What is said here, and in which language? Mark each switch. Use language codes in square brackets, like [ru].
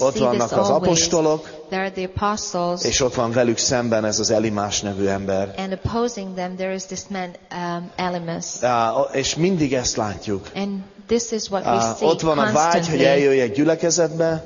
[hu] Ott vannak az apostolok, [en] there are the apostles, [hu] és ott van velük szemben ez az Elimás nevű ember. [en] And opposing them there is this man Elimas. [hu] És mindig ezt látjuk. [en] And this is what we see. [hu] Ott van a vágy, hogy eljöjjek gyülekezetbe.